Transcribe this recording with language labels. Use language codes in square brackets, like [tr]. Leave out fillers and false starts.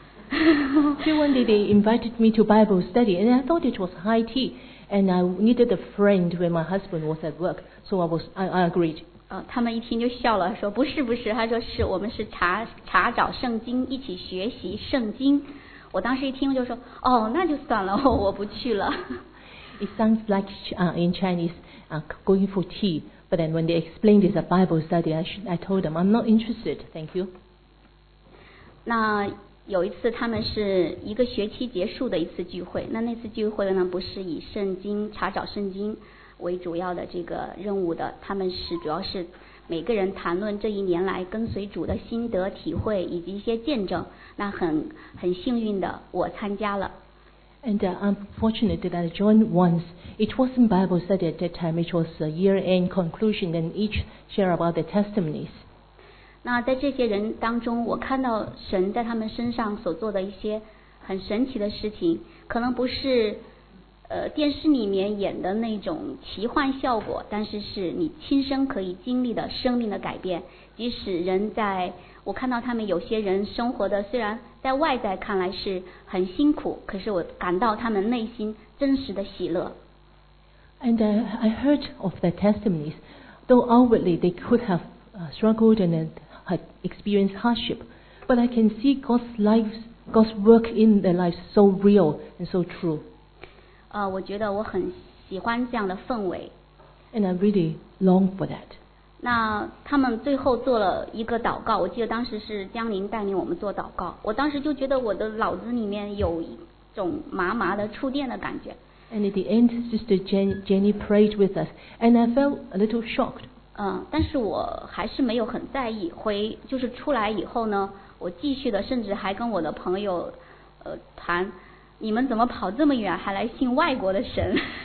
[en] One day they invited me to Bible study, and I thought it was high tea, and I needed a friend when my husband was at work, so I agreed. [zh] 他们一听就笑了，说不是不是，他说是我们是查找圣经，一起学习圣经。我当时一听就说，哦，那就算了，我不去了。 [en] It sounds like in Chinese, going for tea, but then when they explained it's a Bible study, I told them I'm not interested. Thank you. [zh] 那有一次他们是一个学期结束的一次聚会，那次聚会呢不是以圣经查找圣经为主要的这个任务的，他们是主要是每个人谈论这一年来跟随主的心得体会以及一些见证。那很幸运的我参加了。 [en] And I'm fortunate that I joined once. It wasn't Bible study at that time, it was a year end conclusion, and each share about the testimonies. [zh] 那在这些人当中，我看到神在他们身上所做的一些很神奇的事情，可能不是电视里面演的那种奇幻效果，但是是你亲身可以经历的生命的改变。即使人在，我看到他们有些人生活的虽然在外在看来是很辛苦，可是我感到他们内心真实的喜乐。 [en] And I heard of the testimonies, though outwardly they could have struggled in it. Had experienced hardship, but I can see God's work in their lives so real and so true. [zh] 我觉得我很喜欢这样的氛围。 [en] And I really long for that. [zh] 那他们最后做了一个祷告，我记得当时是江宁带领我们做祷告。我当时就觉得我的脑子里面有一种麻麻的触电的感觉。 [en] And at the end, Sister Jenny prayed with us, and I felt a little shocked. [zh] 但是我还是没有很在意。回就是出来以后呢，我继续的，甚至还跟我的朋友谈，你们怎么跑这么远还来信外国的神。